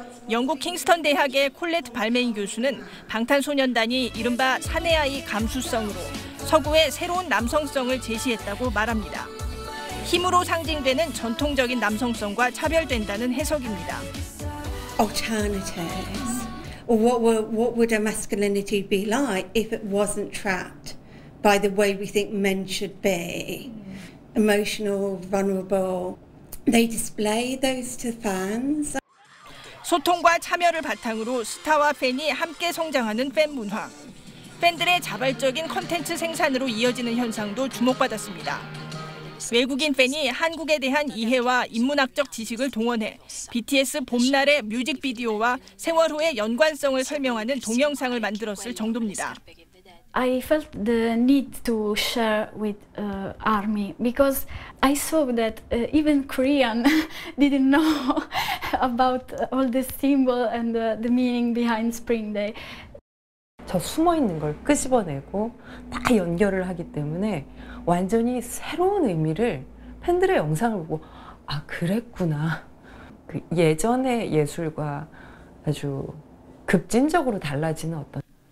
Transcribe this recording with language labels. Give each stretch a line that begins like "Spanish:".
Korean: 영국 킹스턴 대학의 콜렛 발메인 교수는 방탄소년단이 이른바 사내 아이 감수성으로 서구의 새로운 남성성을 제시했다고 말합니다. 힘으로 상징되는 전통적인 남성성과 차별된다는 해석입니다.
English: Alternatives. What would a masculinity be like if it wasn't trapped by the way we think men should be? Emotional, vulnerable. They display those to fans.
Korean: 소통과 참여를 바탕으로 스타와 팬이 함께 성장하는 팬 문화. 팬들의 자발적인 콘텐츠 생산으로 이어지는 현상도 주목받았습니다. 외국인 팬이 한국에 대한 이해와 인문학적 지식을 동원해 BTS 봄날의 뮤직비디오와 세월호의 연관성을 설명하는 동영상을 만들었을 정도입니다.
English: I felt the need to share with ARMY because I saw that even Korean didn't know about all the symbol and the meaning behind Spring Day.
Korean: 저 숨어 있는 걸 끄집어내고 다 연결을 하기 때문에 완전히 새로운 의미를 팬들의 영상을 보고 아 그랬구나. 그 예전의 예술과 아주 급진적으로 달라지는 어떤